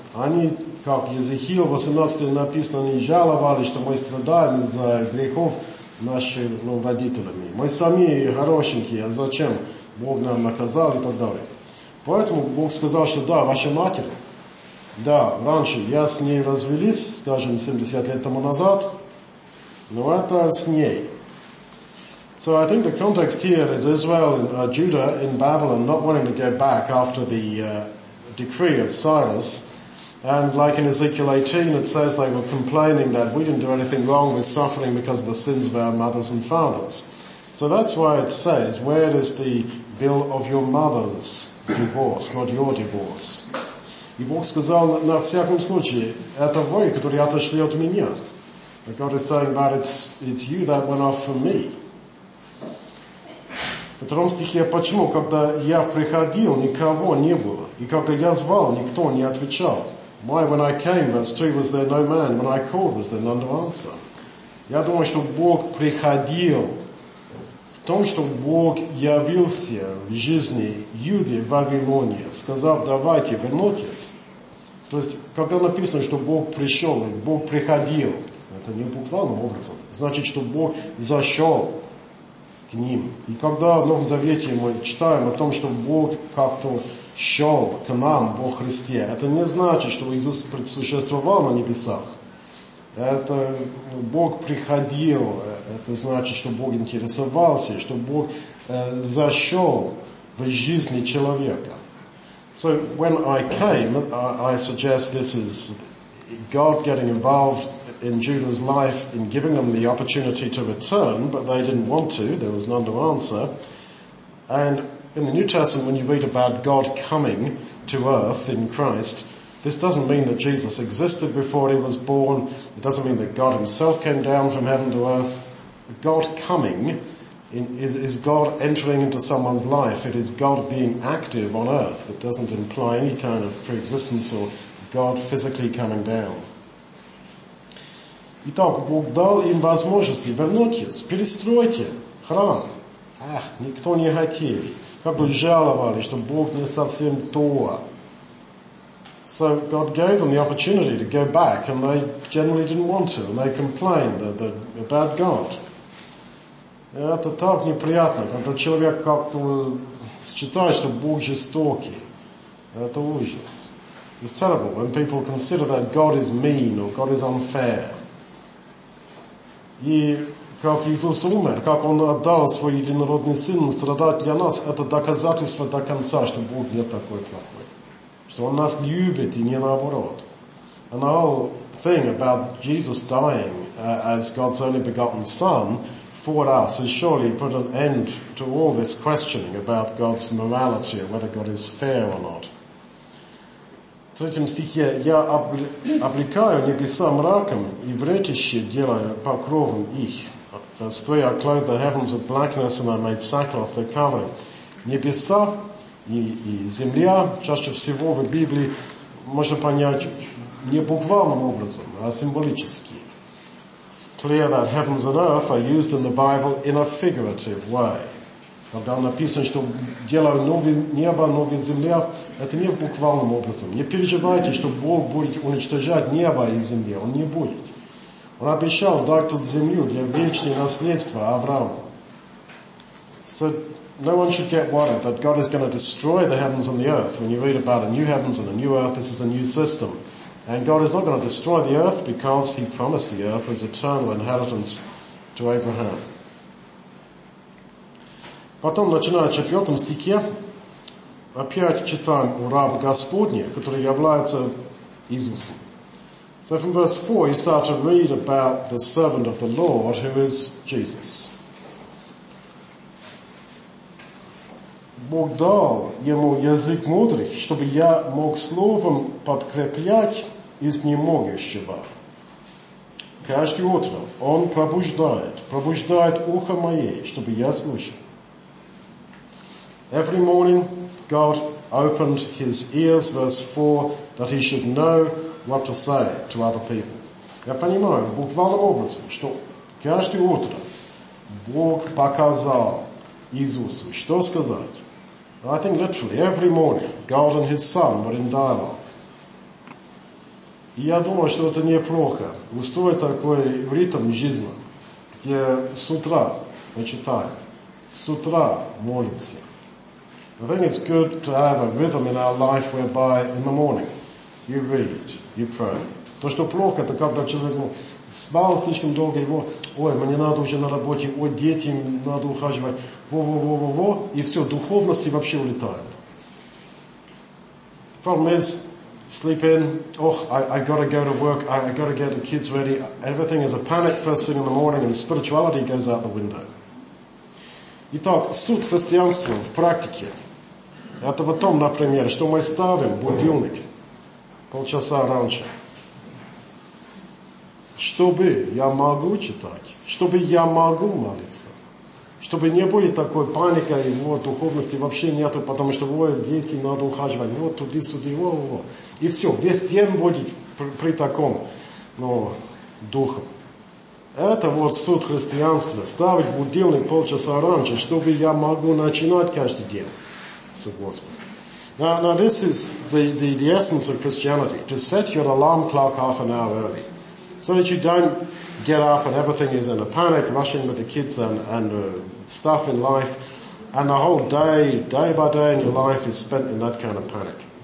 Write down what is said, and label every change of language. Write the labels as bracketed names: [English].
[Russian] Они, как Езехиил 18 написано, они жаловали, что мы страдаем из-за грехов наших родителей. Мы сами хорошенькие, а зачем Бог нам наказал и так далее. Поэтому Бог сказал, что да, ваша матерь, да, раньше я с ней развелись, скажем, 70 лет тому назад, но это с ней. [English] So I think the context here is Israel and Judah in Babylon not wanting to go back after the decree of Cyrus. And like in Ezekiel 18, it says they were complaining that we didn't do anything wrong, we're suffering because of the sins of our mothers and fathers. So that's why it says, where is the bill of your mother's divorce, not your divorce? [Russian] И Бог сказал, на всяком случае, это вы, которые отошли от меня. [English] But God is saying that it's you that went off from me. [Russian] В втором стихе, почему, когда я приходил, никого не было, и когда я звал, никто не отвечал. [English] Why, when I came, verse 2, was there no man? When I called, was there none to answer? [Russian] Я думаю, что Бог приходил в том, что Бог явился в жизни Юды в Вавилоне, сказав, давайте, вернитесь. То есть, когда написано, что Бог пришел, и Бог приходил, это не буквальным образом, значит, что Бог зашел к ним. И когда в Новом Завете мы читаем о том, что Бог как-то шел к нам во Христе, это не значит, что Иисус предсуществовал на небесах. Это Бог приходил, это значит, что Бог интересовался, что Бог зашел в жизни человека. [English] So when I came, I suggest this is God getting involved in Judah's life, in giving them the opportunity to return, but they didn't want to, there was none to answer. And in the New Testament, when you read about God coming to earth in Christ, this doesn't mean that Jesus existed before he was born, it doesn't mean that God himself came down from heaven to earth. God coming is God entering into someone's life, it is God being active on earth. It doesn't imply any kind of pre-existence or God physically coming down. [Russian] Итак, Бог дал им возможность вернуться, перестройте храм. Ах, никто не хотел. Как бы жаловали, что Бог не совсем то. [English] So God gave them the opportunity to go back, and they generally didn't want to, and they complained about God. [Russian] Это так неприятно, когда человек как-то считает, что Бог жестокий. Это ужас. [English] It's terrible when people consider that God is mean or God is unfair. [Russian] И как Иисус умер, как Он отдал Свой единородный Сын страдать для нас, это доказательство до конца, что Бог не такой плохой. Что Он нас любит и не наоборот. [English] And the whole thing about Jesus dying as God's only begotten Son for us has surely put an end to all this questioning about God's morality, whether God is fair or not. [Russian] В третьем стихе «Я облекаю небеса мраком и вретище делаю покровом их». [English] Verse 3 «I clothe the heavens with blackness and I made sackcloth their covering». [Russian] Небеса и земля, чаще всего в Библии, можно понять не буквальным образом, а символически. [English] It's clear that heavens and earth are used in the Bible in a figurative way. [Russian] Когда написано, что делаю новое небо, новая земля, это не в буквальном образом. Не переживайте, что Бог будет уничтожать небо и землю. Он не будет. Он обещал дать тут землю для вечного наследства Аврааму. [English] So no one should get worried that God is going to destroy the heavens and the earth. When you read about a new heavens and a new earth, this is a new system. And God is not going to destroy the earth because he promised the earth as eternal inheritance to Abraham. [Russian] Потом, начиная в четвертом стихе, опять читаем о рабе Господне, который является Иисусом. [English] So from verse 4, you start to read about the servant of the Lord, who is Jesus. [Russian] Бог дал ему язык мудрых, чтобы я мог словом подкреплять из немогущего. Каждое утро он пробуждает ухо мое, чтобы я слышал. [English] Every morning God opened his ears, verse 4, that he should know what to say to other people. [Russian] Я понимаю, в буквальном образе, что каждое утро Бог показал Иисусу, что сказать. [English] I think literally, every morning, God and his son were in dialogue. [Russian] И я думаю, что это неплохо. Устроить такой ритм жизни, где с утра мы читаем, с утра молимся. [English] I think it's good to have a rhythm in our life whereby in the morning you read, you pray. [Russian] То, что плохо, это когда человек спал слишком долго, его, ой, мне надо уже на работе, ой, дети, надо ухаживать, во-во-во-во-во, и все, духовности вообще улетают. [English] Problem is, sleep in, oh, I gotta go to work, I gotta get the kids ready, everything is a panic first thing in the morning, and spirituality goes out the window. [Russian] Итак, суть христианства в практике – это в том, например, что мы ставим будильник полчаса раньше, чтобы я могу читать, чтобы я могу молиться, чтобы не было такой паники, и вот духовности вообще нету, потому что ой, дети надо ухаживать, вот туди-сюди, во-во-во. И все, весь день будет при таком, ну, духе. Это вот суть христианства. Ставить будильник полчаса раньше, чтобы я могу начинать каждый день с Господом. [English] Now this is the essence of Christianity. To set your alarm clock half an hour early. So that you don't get up and everything is in a panic, rushing with the kids and stuff in life. And the whole day by day in your life is spent in that kind of panic.